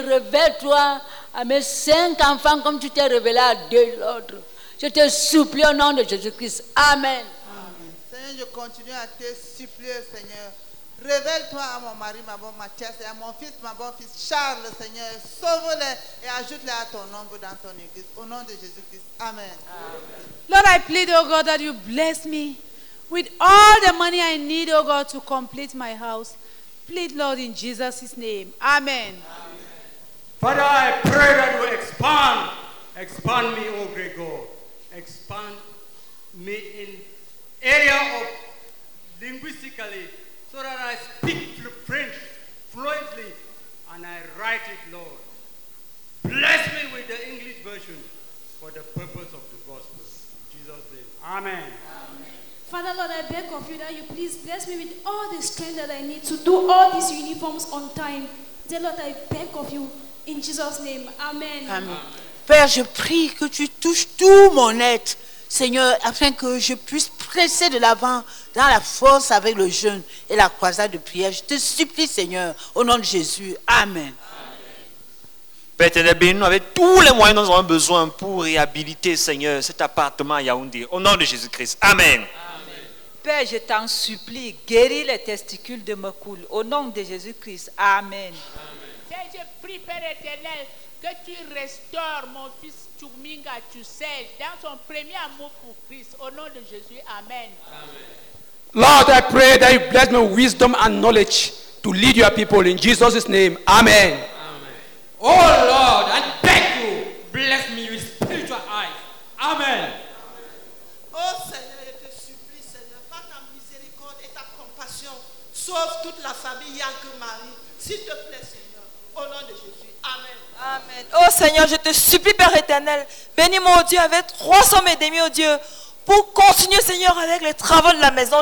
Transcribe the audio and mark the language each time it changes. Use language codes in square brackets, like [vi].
[fr] Révèle-toi à mes 5 enfants, comme tu t'es révélé à 2 autres. Je te supplie au nom de Jésus-Christ. Amen. Amen. Seigneur, je continue à te supplier, Seigneur. Révèle-toi à mon mari, ma bonne Mathias, et à mon fils, ma bonne fille Charles, Seigneur. Sauve-les et ajoute-les à ton nombre dans ton église. Au nom de Jésus-Christ. Amen. Amen. [en] Lord, I plead, oh God, that you bless me with all the money I need, oh God, to complete my house. Plead, Lord, in Jesus' name. Amen. Amen. Father, I pray that you expand. Expand me, O great God. Expand me in area of linguistically so that I speak French fluently and I write it, Lord. Bless me with the English version for the purpose of the gospel. In Jesus' name. Amen. Father, Lord, I beg of you that you please bless me with all the strength that I need to do all these uniforms on time. Dear Lord, I beg of you. In Jesus' name, amen. [fr] Amen. Père, je prie que tu touches tout mon être, Seigneur, afin que je puisse presser de l'avant dans la force avec le jeûne et la croisade de prière. Je te supplie, Seigneur, au nom de Jésus. Amen. Père éternel, bénis-nous avec tous les moyens dont nous avons besoin pour réhabiliter, Seigneur, cet appartement à Yaoundé. Au nom de Jésus-Christ. Amen. Père, je t'en supplie, guéris les testicules de Mokoul. Au nom de Jésus-Christ. Amen. Père, je prie, Père éternel, que tu restaures mon fils Tchouminga Tchoussel dans son premier amour pour Christ. Au nom de Jésus. Amen. [en] Lord, I pray that you bless me with wisdom and knowledge to lead your people in Jesus' name. Amen. Oh Lord, I beg you, bless me with spiritual eyes. Amen. [fr] Oh Seigneur, je te supplie, Seigneur, par ta miséricorde et ta compassion, sauve toute la famille Yankee-Marie. S'il te plaît, Seigneur, au nom de Jésus. Amen. Amen. Oh Seigneur, je te supplie, Père éternel, bénis mon Dieu avec 300 et demi, oh Dieu, pour continuer, Seigneur, avec les travaux de la maison.